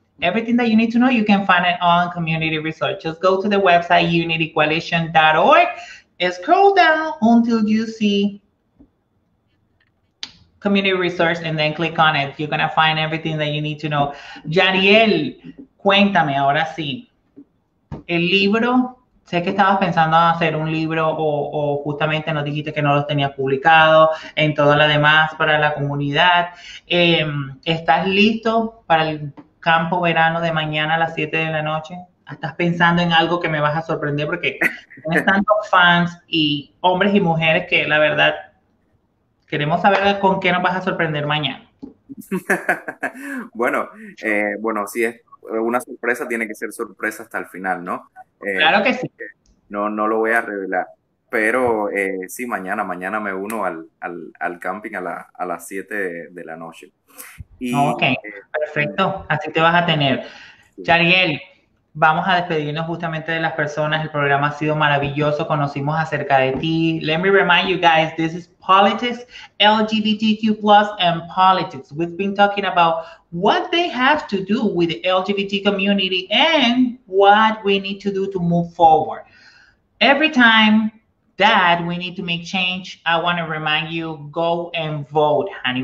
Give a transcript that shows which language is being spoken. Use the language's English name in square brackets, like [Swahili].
[English] Everything that you need to know, you can find it on Community Research. Just go to the website unitycoalition.org and scroll down until you see Community Research and then click on it. You're going to find everything that you need to know. [Spanish] Yariel, cuéntame ahora sí. El libro, sé que estabas pensando en hacer un libro o justamente nos dijiste que no lo tenías publicado en todo lo demás para la comunidad. ¿Estás listo para el campo verano de mañana a las 7 de la noche? ¿Estás pensando en algo que me vas a sorprender? Porque tienes tantos fans y hombres y mujeres que la verdad queremos saber con qué nos vas a sorprender mañana. Bueno, bueno, si es una sorpresa, tiene que ser sorpresa hasta el final, ¿no? Claro que sí. No lo voy a revelar, pero sí, mañana me uno al camping a las 7 de la noche. Y, ok, perfecto, así te vas a tener. Yariel, vamos a despedirnos justamente de las personas. El programa ha sido maravilloso, conocimos acerca de ti. [English] Let me remind you guys, this is politics, LGBTQ+, and politics. We've been talking about what they have to do with the LGBT community and what we need to do to move forward. Every time that we need to make change. I want to remind you, go and vote, honey.